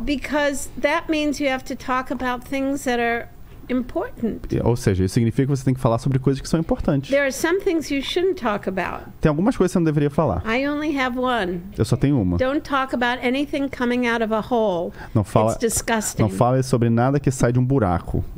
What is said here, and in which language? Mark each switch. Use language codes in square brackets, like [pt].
[en] Because that means you have to talk about things that are important. [pt] Ou seja, isso significa que você tem que falar sobre coisas que são importantes. [en] There are some things you shouldn't talk about. [pt] Tem algumas coisas que você não deveria falar. [en] I only have one. [pt] Eu só tenho uma. [en] Don't talk about anything coming out of a hole. [pt] Não fala, [en] it's disgusting. [pt] Não fale sobre nada que sai de um buraco.